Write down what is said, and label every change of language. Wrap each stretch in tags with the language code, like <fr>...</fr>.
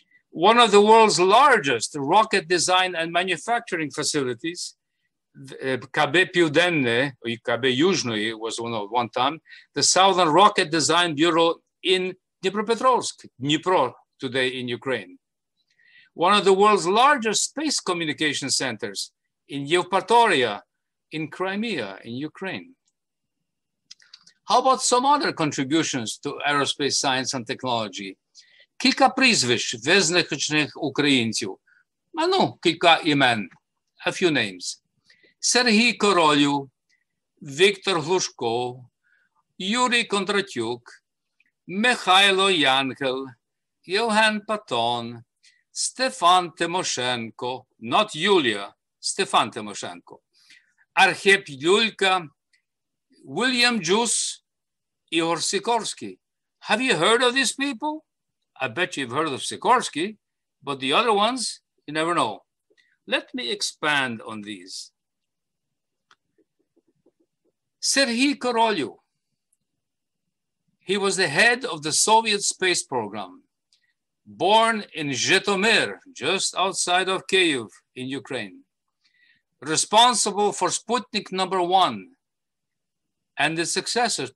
<en>One of the world's largest rocket design and manufacturing facilities, КБ Південне, КБ Южне was one time, the Southern Rocket Design Bureau in Dnipropetrovsk, Dnipro today in Ukraine. One of the world's largest space communication centers in Yevpatoria, in Crimea, in Ukraine. How about some other contributions to aerospace science and technology?</en> <uk>Кілька прізвищ визначних українців. Ну, кілька імен.</uk> <en>A few names.</en> <uk>Сергій Королю, Віктор Глушко, Юрій Кондратюк, Михайло Янгел, Євген Патон, Стефан Тимошенко, not Юлія, Стефан Тимошенко, Архіп Люлька, Вільям Джус, Ігор Сікорський.</uk> <en>Have you heard of these people? I bet you've heard of Sikorsky, but the other ones, you never know. Let me expand on these.</en> <uk>Сергій Королю.</uk> <en>He was the head of the Soviet space program, born in Zhytomyr, just outside of Kyiv in Ukraine, responsible for Sputnik number one and its successors.</en>